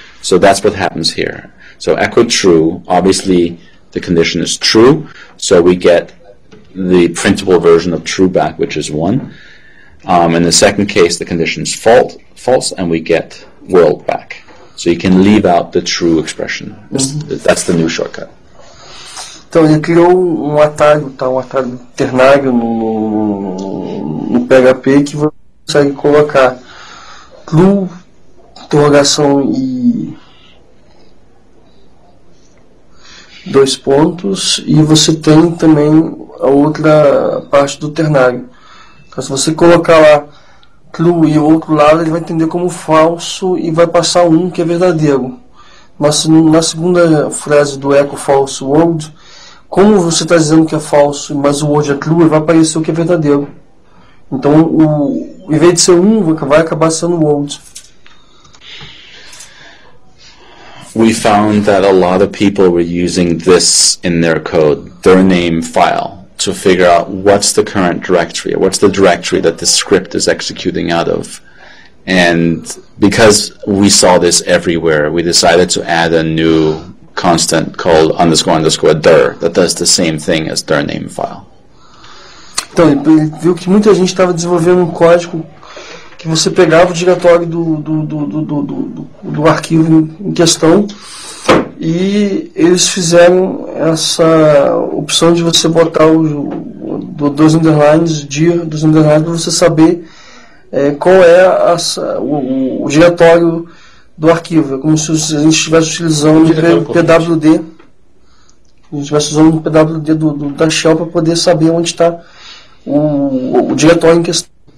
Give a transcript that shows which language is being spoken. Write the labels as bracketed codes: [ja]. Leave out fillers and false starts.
[en] So that's what happens here. So echo true, obviously the condition is true, so we get the printable version of true back, which is 1. In the second case, the condition is false, and we get world back. So you can leave out the true expression. Mm-hmm. That's the new shortcut. [pt] Então, ele criou um atalho, tá? Um atalho ternário no PHP que você consegue colocar true, interrogação e dois pontos, e você tem também a outra parte do ternário. Então, se você colocar lá true e o outro lado, ele vai entender como falso e vai passar um que é verdadeiro. Mas na segunda frase do echo false world, como você está dizendo que é falso, mas o word é true, vai aparecer o que é verdadeiro. Então, em vez de ser um, vai acabar sendo world. [en] We found that a lot of people were using this in their code, their name file, to figure out what's the current directory, or what's the directory that the script is executing out of. And because we saw this everywhere, we decided to add a new constant called underscore underscore dir that does the same thing as dir name file. [pt] Então, ele viu que muita gente estava desenvolvendo um código que você pegava o diretório do arquivo em questão, e eles fizeram essa opção de você botar dois underlines, dir, dos underlines, para você saber qual é o diretório do arquivo. É como se a gente estivesse utilizando PWD, a gente estivesse usando o PWD da Shell para poder saber onde está o diretório em questão.